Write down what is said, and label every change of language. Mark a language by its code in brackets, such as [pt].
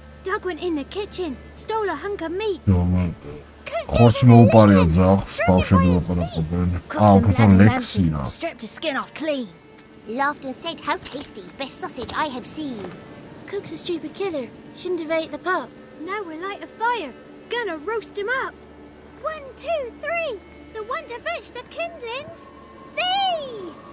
[en] Dog went in the kitchen, stole a hunk of meat. [ka] ხორცი მოუპარია ძაღლს, ბავშვები ლაპარაკობენ. აა, უბრალოდ ლექსინა. [en] Stripped his skin off clean. He laughed and said how tasty, best sausage I have seen. Cook's a stupid killer, shouldn't have ate the pup. Now we'll light a fire, gonna roast him up. 1, 2, 3, the one to fetch the kindlings, thee!